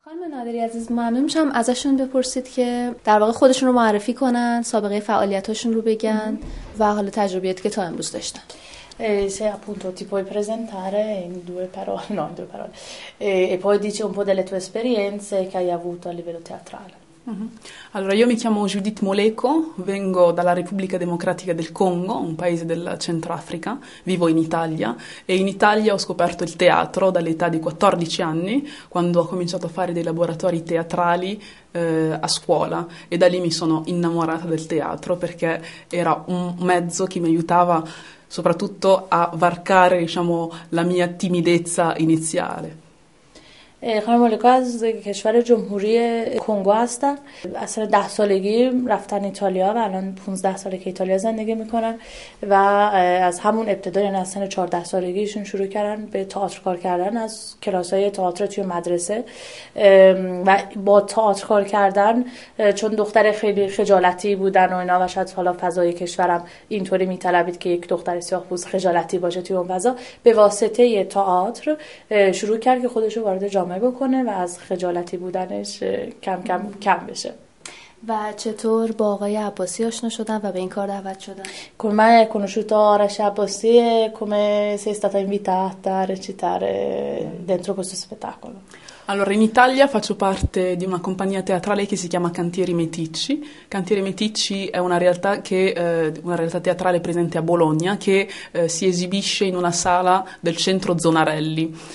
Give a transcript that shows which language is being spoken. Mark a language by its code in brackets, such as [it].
[fa] نادری عزیز، ممنون میشم ازشون بپرسید که در واقع خودشون رو معرفی کنن، سابقه فعالیتاشون رو بگن و حالا تجربیاتی که تا امروز داشتن. [it] Se appunto ti puoi presentare in due parole, no, in due parole. E poi dici un po' delle tue esperienze che hai avuto a livello teatrale. Allora, io mi chiamo Judith Moleko, vengo dalla Repubblica Democratica del Congo, un paese del Centro Africa, vivo in Italia e in Italia ho scoperto il teatro dall'età di 14 anni, quando ho cominciato a fare dei laboratori teatrali a scuola, e da lì mi sono innamorata del teatro perché era un mezzo che mi aiutava soprattutto a varcare, diciamo, la mia timidezza iniziale. [fa] خانم مولکو از کشور جمهوری کنگو هستم. اصلا 10 سالگی رفتن ایتالیا و الان 15 ساله که ایتالیا زندگی میکنن و از همون ابتدا، یعنی از سن 14 سالگیشون شروع کردن به تئاتر کار کردن، از کلاس های تئاتر توی مدرسه. و با تئاتر کار کردن، چون دختر خیلی خجالتی بودن و اینا و شاید حالا فضای کشورم اینطوری میطلبید که یک دختر سیاه‌پوست خجالتی باشه توی اون فضا، به واسطه تئاتر شروع کرد که خودش رو وارد جامعه بکنه و از خجالتی بودنش کم کم کم بشه. و چطور با آقای عباسی آشنا شدن و به این کار دعوت شدن؟ [it] come è conosciuto Arash Abbasi e come sei stata invitata a recitare dentro questo spettacolo? Allora, in Italia faccio parte di una compagnia teatrale che si chiama Cantieri Meticci. Cantieri Meticci è una realtà teatrale presente a Bologna che si esibisce in una sala del centro Zonarelli.